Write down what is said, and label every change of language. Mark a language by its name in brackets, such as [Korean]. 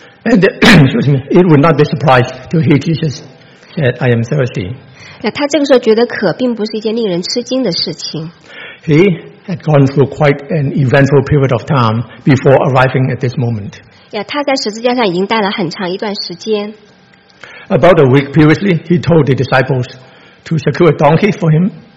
[English] And excuse me, it would not be surprised to hear Jesus said, I am thirsty. [Chinese] 那他这个时候觉得渴并不是一件令人吃惊的事情。 [English] He had gone through quite an eventful period of time before arriving at this moment. [Chinese] 他在十字架上已经待了很长一段时间。 [English] About a week previously, he told the disciples to secure a donkey for him.